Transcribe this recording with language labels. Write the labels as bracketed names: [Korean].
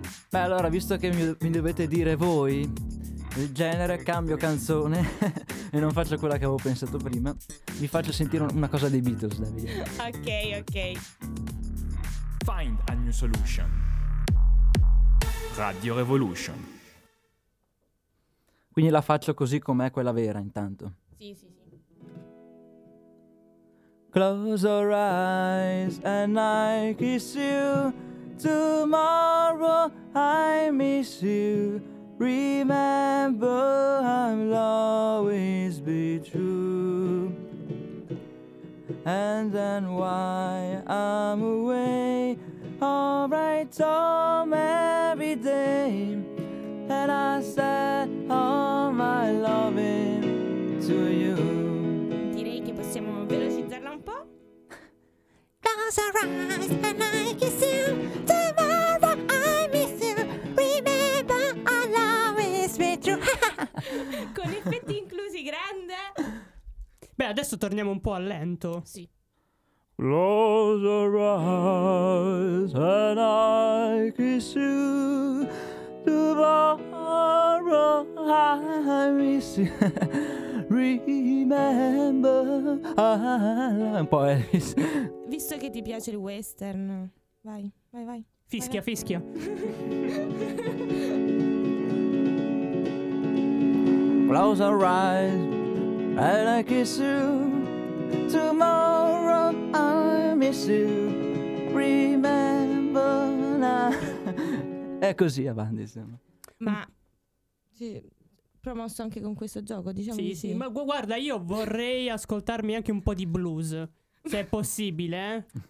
[Italian] Beh, allora, visto che mi dovete dire voi il genere, cambio canzone e non faccio quella che avevo pensato prima. Vi faccio sentire una cosa dei Beatles, Davide. Ok. [English] Find a new solution. Radio Revolution. [Italian] Quindi la faccio così com'è, quella vera, intanto. Sì. [English] Close your eyes and I kiss you. Tomorrow I miss you. Remember, I'll always be true. And then why I'm away, alright, Tom, every day. And I said all my loving to you. [Italian] Direi che possiamo velocizzarla un po'. [English] Close your eyes and I kiss you. Tomorrow I miss you. Remember, I'll always be true. [Italian] Con effetti inclusi, grande. Beh, adesso torniamo un po' al lento. Sì. [English] Close your eyes and I kiss you. Tomorrow I miss you. Remember, [Italian] un po' Elvis. Visto che ti piace il western, vai. Fischia. [English] Close our eyes and I kiss you. Tomorrow I miss you. Remember now. [Italian] È così, avanti, insomma. Ma sì, promosso anche con questo gioco, diciamo. Sì, sì. Ma guarda, io vorrei ascoltarmi anche un po' di blues, se è possibile.